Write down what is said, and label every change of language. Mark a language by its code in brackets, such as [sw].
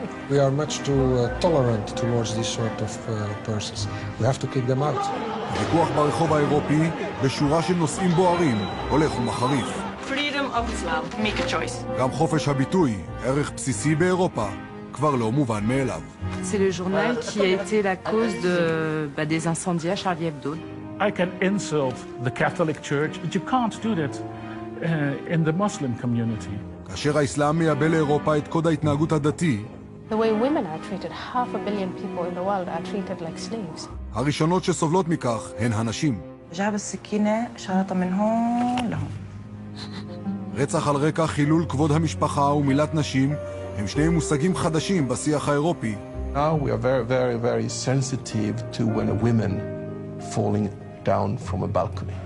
[en] We are much too tolerant towards this sort of persons. We have to kick them out. [he] ויכוח ברחוב האירופי בשורה של נושאים בוערים הולך ומחריף. [en] Freedom of Islam, make a choice. [he] גם חופש הביטוי, ערך בסיסי באירופה, כבר לא מובן מאליו. [fr] C'est le journal qui a été la cause des incendies à Charlie Hebdo. [en] I can insult the Catholic Church, but you can't do that in the Muslim community. [he] כאשר האסלאם מייבא לאירופה את קוד ההתנהגות הדתי, [en] the way women are treated, half a billion people in the world are treated like slaves. [he] הראשונות שסובלות מכך הן הנשים. ג'אב סכינה שרת מנהו להם. רצח על רקע חילול כבוד המשפחה ומילת נשים הם שני מושגים חדשים בשיח האירופי. [en] Now we are very, very, very sensitive to when women falling down from a balcony.